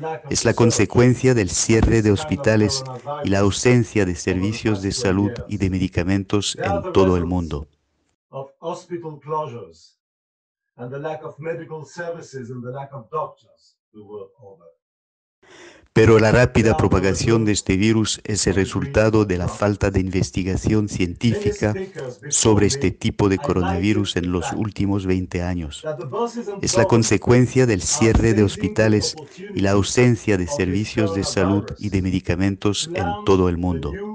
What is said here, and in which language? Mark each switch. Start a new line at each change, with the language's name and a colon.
Spanish: Es la consecuencia del cierre de hospitales y la ausencia de servicios de salud y de medicamentos en todo el mundo.
English: Of hospital closures and the lack of medical services and the lack of doctors the world over.
Spanish: Pero la rápida propagación de este virus es el resultado de la falta de investigación científica sobre este tipo de coronavirus en los últimos 20 años. Es la consecuencia del cierre de hospitales y la ausencia de servicios de salud y de medicamentos en todo el mundo.